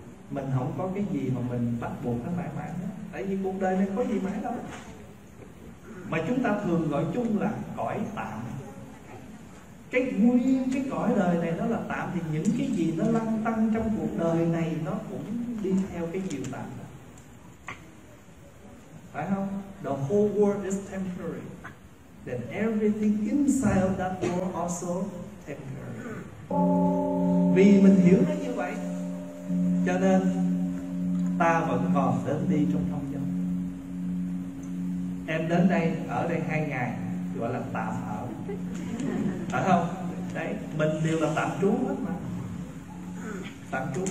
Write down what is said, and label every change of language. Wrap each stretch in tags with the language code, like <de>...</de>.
<vi>Mình không có cái gì mà mình bắt buộc nó mãi mãi hết. Tại vì cuộc đời này có gì mãi đâu. Mà chúng ta thường gọi chung là cõi tạm. Cái nguyên cái cõi đời này nó là tạm. Thì những cái gì nó lăn tăn trong cuộc đời này nó cũng đi theo cái chiều tạm đó. Phải không?</vi> <en>The whole world is temporary. Then everything inside of that world also temporary.</en> <vi>Vì mình hiểu nó như vậy cho nên ta vẫn còn đến đi trong thông dân. Em đến đây ở đây 2 ngày gọi là tạm ở, phải không? Đấy, mình đều là tạm trú hết mà, tạm trú.</vi>